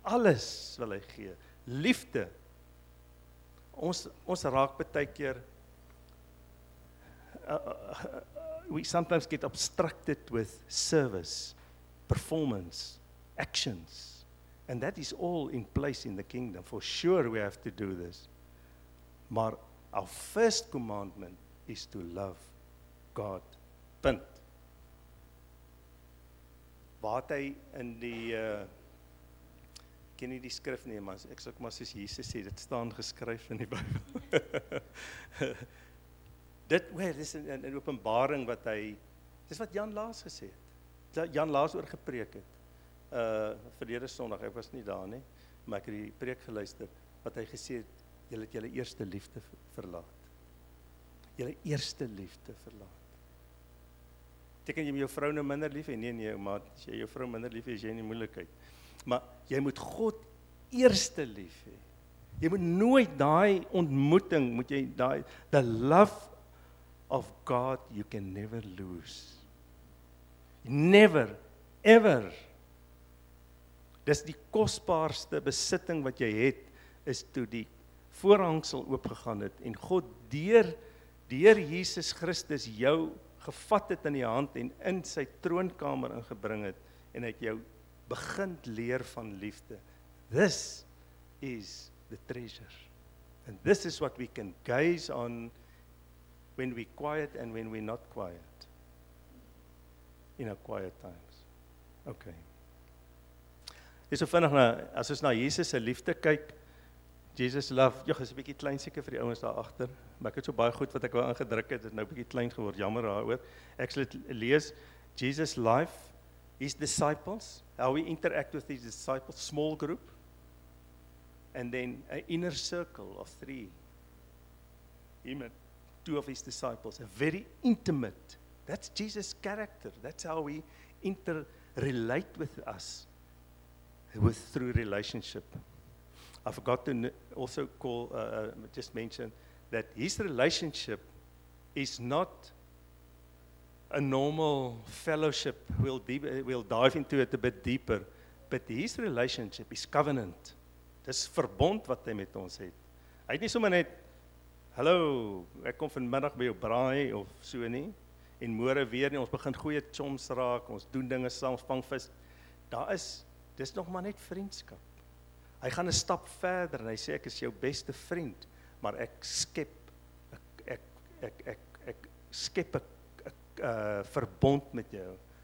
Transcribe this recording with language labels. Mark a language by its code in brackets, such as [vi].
[af] Alles wil hy gee. Liefde. Ons raak baie keer [en] we sometimes get obstructed with service, performance, actions. And that is all in place in the kingdom. For sure we have to do this. Maar our first commandment is to love God. [af] Punt. Wat hy in die, ken nie die skrif nie, maar ek sal maar soos Jesus sê, dit staan geskryf in die Bybel. dit is in openbaring wat hy, dis wat Jan Laas gesê het, Jan Laas oor gepreek het, verlede Sondag, ek was nie daar nie, maar ek het die preek geluister, wat hy gesê het, julle het julle eerste liefde verlaat. Julle eerste liefde verlaat. Beteken jy jou vrou nou minder lief? Nee, maar as jy jou vrou minder lief is jy in die moeilikheid. Maar jy moet God eerste lief hê. Jy moet nooit daai ontmoeting, moet jy daai [en] the love of God you can never lose. Never ever. [af] Dis die kosbaarste besitting wat jy het is toe die voorhangsel oopgegaan het en God deur Jesus Christus jou gevat het in die hand en in sy troonkamer ingebring het en het jou begin leer van liefde. [en] This is the treasure. And this is what we can gaze on when we quiet and when we not quiet. In our quiet times. Okay. [af] Dis so vinnig na, as ons na Jesus se liefde kyk, Jesus love, jy is 'n bietjie klein seker vir die ouens daar agter, maar ek het so baie goed wat ek wou ingedruk het, het nou bietjie klein geword, jammer daaroor. Ek sal dit lees, [en] Jesus life, his disciples, how we interact with his disciples, small group, and then an inner circle of three, him and two of his disciples, a very intimate, that's Jesus' character, that's how we interrelate with us, with through relationship. I forgot to also call, just mention that his relationship is not a normal fellowship. We'll dive into it a bit deeper. But his relationship is covenant. [af] Dis verbond wat hy met ons het. Hy het nie sommer net, hallo, ek kom vanmiddag by jou braai of so nie. en môre weer nie. Ons begin goeie choms raak, ons doen dinge saam, vang vis. Daar is, dis nog maar net vriendskap. Hy gaan 'n stap verder en hy sê, ek is jou beste vriend, maar ek skep, ek skep 'n verbond met jou.